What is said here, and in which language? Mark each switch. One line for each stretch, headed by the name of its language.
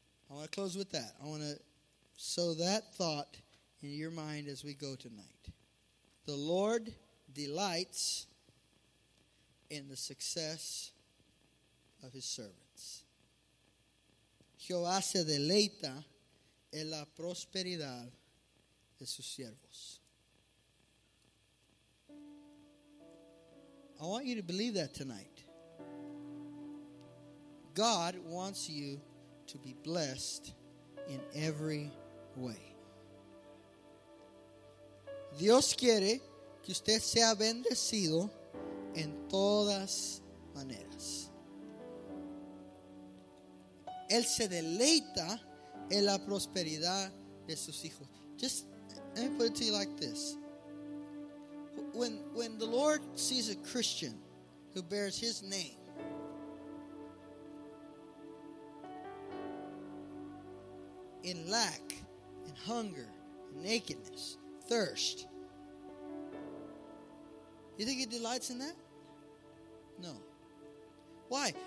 English: I want to close with that. I want to sow that thought in your mind as we go tonight. The Lord delights in the success of his servants.
Spanish: Jehová se deleita en la prosperidad de sus siervos.
English: I want you to believe that tonight. God wants you to be blessed in every way.
Spanish: Dios quiere que usted sea bendecido en todas maneras. Él se deleita en la prosperidad de sus hijos.
English: Just let me put it to you like this. When the Lord sees a Christian who bears his name, in lack, in hunger, in nakedness, thirst, you think he delights in that? No. Why?